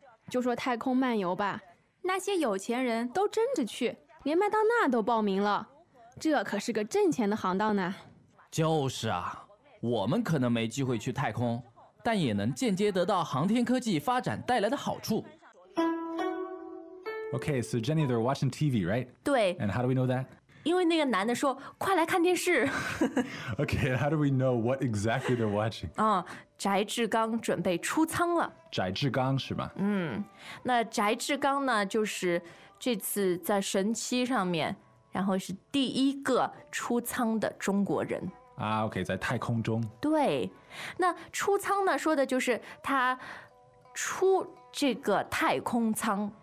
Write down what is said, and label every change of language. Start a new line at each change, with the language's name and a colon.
Chinese: 就说太空漫游吧，那些有钱人都争着去，连麦当娜都报名了，这可是个挣钱的行当呢。就是啊，我们可能没机会去太空，但也能间接得到航天科技发展带来的好处。
English: Okay, so Jenny, they're watching TV, right?
Chinese: 对。
English: And how do we know that?
Chinese: 因为那个男的说，快来看电视。
English: Okay, how do we know what exactly they're watching?
Chinese: 翟志刚准备出舱了。翟志刚是吗？嗯，那翟志刚呢，就是这次在神七上面，然后是第一个出舱的中国人。 OK, 在太空中。对，那出舱呢，说的就是他出这个太空舱。